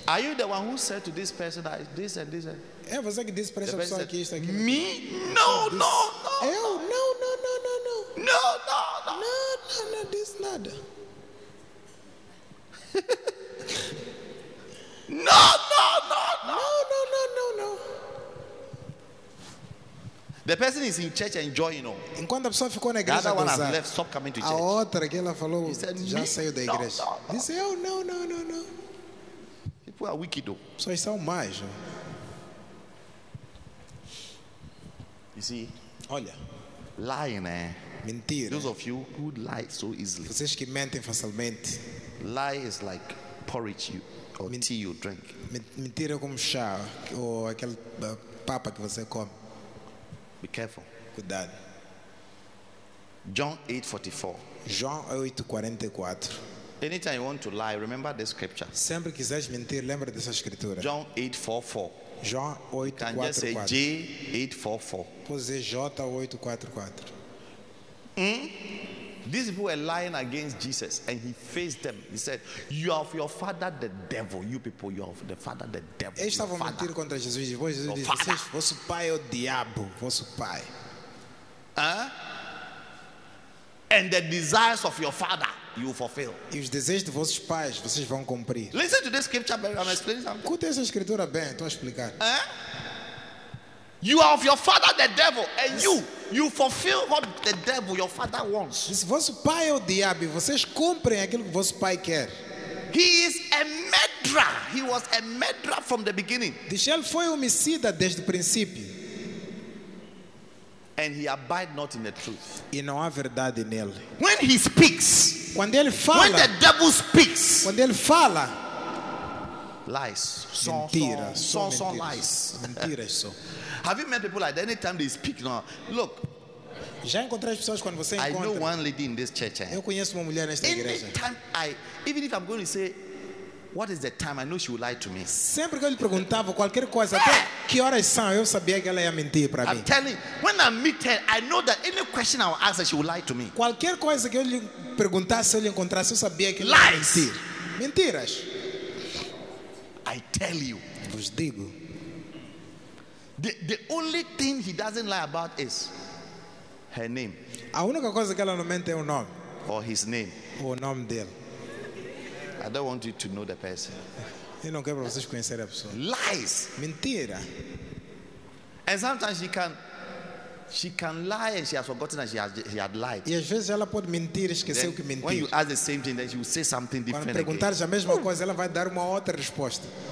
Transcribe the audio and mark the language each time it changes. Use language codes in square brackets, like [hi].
[en] Are you the one who said to this person that this and this? [pt] É você que disse para essa pessoa aqui, isto aqui. [en] Me? No, no, no, no. [pt] Eu? [en] No, no, no, no, no. No, no, no. No, no, no, this nada. No, no, no, no, no, no, no, no, no. The person is in church enjoying, you know. [pt] Enquanto a pessoa ficou na igreja, [en] the other one has left, stop coming to church. [pt] A outra que ela falou, [en] said, [pt] já saiu da igreja. [en] No, no, no. [pt] Disse, [en] oh, no, no, no, no. People are wicked, though. [pt] Pessoas são mais. [en] You see? [pt] Olha. [en] Lying, eh? [pt] Mentira. [en] Those of you who lie so easily. [pt] Vocês que mentem facilmente. [en] Lie is like porridge you or tea you drink. [pt] Mentira como chá ou aquele papa que você come. [en] Be careful. [pt] Cuidado. João 8:44. [en] Anytime you want to lie, remember the scripture. [pt] Sempre quiseres mentir, lembra dessa escritura. João 8:44. João 8:44. Hmm? [en] These people were lying against Jesus and he faced them. He said, you are of your father the devil. You people, you are of the father the devil. [pt] Eles estavam mentindo contra Jesus. Depois Jesus disse, vocês, vosso pai é o diabo. Vosso pai. Huh? [en] And the desires of your father you fulfill. [pt] E os desejos de vossos pais vocês vão cumprir. [en] Listen to this scripture, baby. I'm explaining something. [pt] Escute essa escritura bem, estou a explicar. Huh? [en] You are of your father the devil and you. You fulfill what the devil, your father, wants. [pt] Se vosso pai é o diabo, vocês cumprem aquilo que vosso pai quer. [en] He is a murderer. murderer. He was a murderer from the beginning. [pt] Ele foi homicida desde o princípio. [en] And he abide not in the truth. [pt] E não há verdade nele. [en] When he speaks, [pt] quando ele fala, [en] when the devil speaks, [pt] quando ele fala, [en] lies, [pt] mentiras. [en] So. Have you met people like that? Anytime they speak, now look. [pt] Já encontrei as pessoas quando você [en] I [pt] encontra. [en] Know one lady in this church. [pt] Eu conheço uma mulher nesta [en] Anytime [pt] igreja. [en] Anytime I, even if I'm going to say, what is the time? I know she will lie to me. [pt] Sempre que eu lhe perguntava qualquer coisa, até que horas são, eu sabia que ela ia mentir para mim. [en] I'm telling you, when I meet her, I know that any question I will ask her, she will lie to me. [pt] Qualquer coisa que eu lhe perguntasse, eu lhe encontrasse, eu sabia que ela ia mentir. Mentiras. [en] I tell you. [pt] Vos digo. [en] The only thing he doesn't lie about is her name. [pt] A única coisa que ela não mente é o nome. [en] Or his name. [pt] O nome dele. [en] I don't want you to know the person. [pt] Eu não quero para vocês conhecerem a pessoa. [en] Lies. [pt] Mentira. [en] And sometimes she can lie and she has forgotten that she had lied. [pt] E às vezes ela pode mentir e esquecer [en] then, [pt] o que mentiu. [en] When you ask the same thing, then she will say something different. [pt] Quando perguntares a mesma coisa, ela vai dar uma outra resposta.